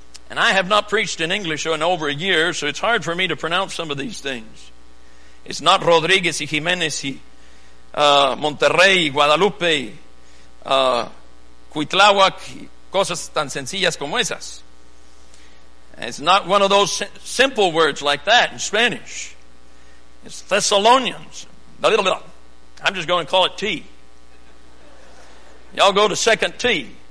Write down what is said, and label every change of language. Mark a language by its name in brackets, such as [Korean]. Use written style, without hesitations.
[English] And I have not preached in English in over a year, so it's hard for me to pronounce some of these things. It's not [Spanish] Rodriguez y Jimenez y Monterrey y Guadalupe y Cuitláhuac y cosas tan sencillas como esas. [English] And it's not one of those simple words like that in Spanish. It's Thessalonians. I'm just going to call it T. Y'all go to second T.